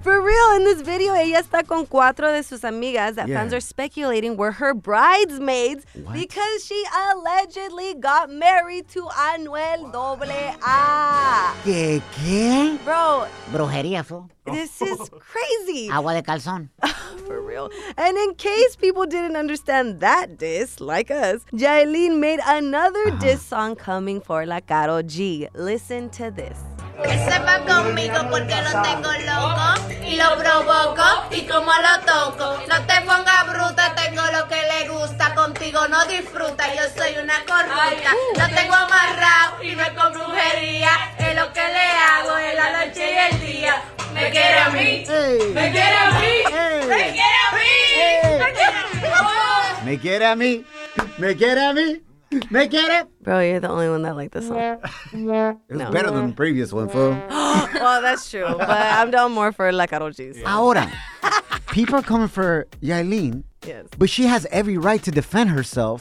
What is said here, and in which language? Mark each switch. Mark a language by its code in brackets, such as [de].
[en] For real, in this video, [es] ella está con cuatro de sus amigas [en] that fans are speculating were her bridesmaids because she allegedly got married to Anuel AA. [es] ¿Qué? [en] Bro. [es] Brujería, fool. [en] This is crazy. [es] Agua de calzón. [en] For real. And in case people didn't understand that diss, like us, Jailene made another diss song coming for La Karol G. Listen to this. [es] Que sepa conmigo porque lo tengo loco y lo provoco y como lo toco. No te ponga bruta, tengo lo que le gusta. Contigo no disfruta, yo soy una corrupta. Lo tengo amarrado y no es con brujería. Es lo que le hago en la noche y el día. Me quiere a mí, me quiere a mí, me quiere a mí, me quiere a mí, me quiere a mí. [en] Me get it? Bro, you're the only one that liked this song. It was better than the previous one, fool. Well, that's true, but I'm down more for La Karol G's. [es] Ahora, [en] people are coming for Jailene. Yes. But she has every right to defend herself.